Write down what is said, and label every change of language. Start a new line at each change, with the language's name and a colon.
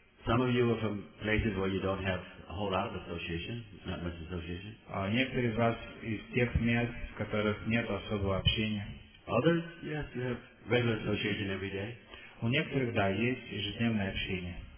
English: Some of you are from places where you don't have a whole lot of association, not much association.
Russian: Некоторые из вас из тех мест, в которых нет особого общения.
English: Others, yes, you have regular association every day.
Russian: У некоторых, да, есть ежедневное общение.